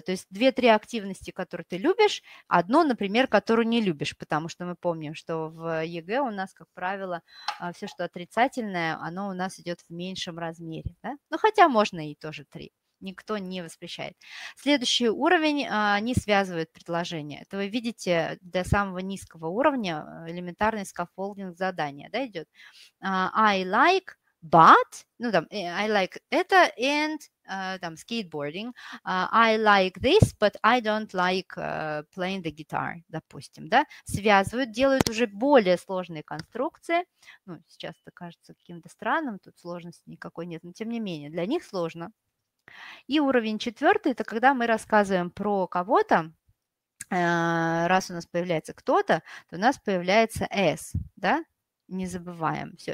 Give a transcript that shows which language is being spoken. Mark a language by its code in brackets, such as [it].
[ru] То есть 2-3 активности, которые ты любишь, одно, например, которую не любишь, потому что мы помним, что в ЕГЭ у нас, как правило, все, что отрицательное, оно у нас идет в меньшем размере. Да? Ну, хотя можно и тоже 3. Никто не воспрещает. Следующий уровень, они связывают предложение. Это вы видите, до самого низкого уровня элементарный скаффолдинг задания, да, идет. [en] I like, but, [ru] ну там, [en] I like [ru] это [en] and [ru] там [en] skateboarding. I like this, but I don't like playing the guitar, [ru] допустим, да. Связывают, делают уже более сложные конструкции. Ну, сейчас это кажется каким-то странным, тут сложности никакой нет, но тем не менее, для них сложно. И уровень четвертый – это когда мы рассказываем про кого-то. Раз у нас появляется кто-то, то у нас появляется S, да? Не забываем. Все.